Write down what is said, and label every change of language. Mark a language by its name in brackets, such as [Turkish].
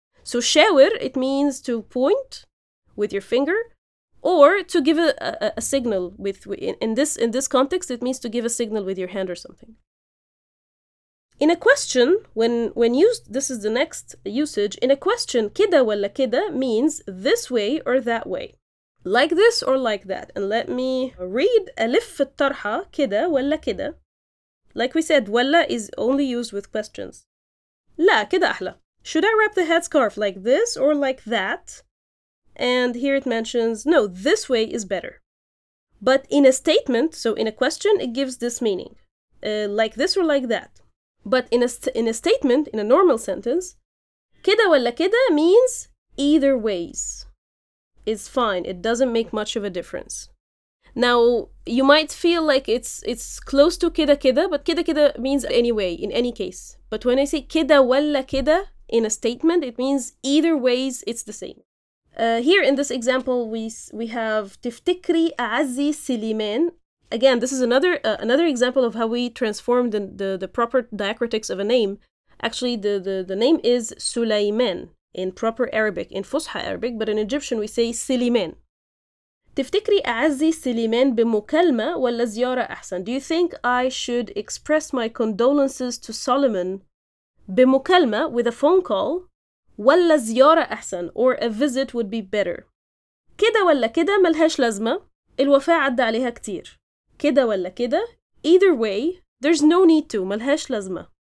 [English] So شاور, it means to point with your finger, or to give a signal with. In this context, it means to give a signal with your hand or something. In a question, when used, this is the next usage. In a question, [Arabic] كده ولا كده [English] means this way or that way, like this or like that. And let me read [Arabic] ألف في الطرحة كده ولا كده. [English] Like we said, ولا is only used with questions. [Arabic] لا كده أحلى. [English] Should I wrap the headscarf like this or like that? And here it mentions, no, this way is better. But in a statement, so in a question, it gives this meaning, like this or like that. But in a statement, in a normal sentence, [Arabic] كده ولا كده [English] means either ways. It's fine. It doesn't make much of a difference. Now, you might feel like it's close to [Arabic] كده كده, [English] but كده كده means anyway, in any case. But when I say [Arabic] كده ولا كده, [English] in a statement, it means either ways, it's the same. Here in this example, we have [Arabic] تفتكري أعزي سليمان. [English] Again, this is another example of how we transform the proper diacritics of a name. Actually, the name is سليمان in proper Arabic, in فصحى Arabic, but in Egyptian we say سليمان. [Arabic] تفتكري أعزي سليمان بمكالمة ولا زيارة أحسن? [English] Do you think I should express my condolences to Solomon بمكالمة, with a phone call, [Arabic] ولا زيارة أحسن, [English] or a visit would be better. [Arabic] كده ولا كده ملهاش لازمة, الوفاة عدى عليها كتير. كده ولا كده, [English] either way, there's no need to, [Arabic] ملهاش لازمة.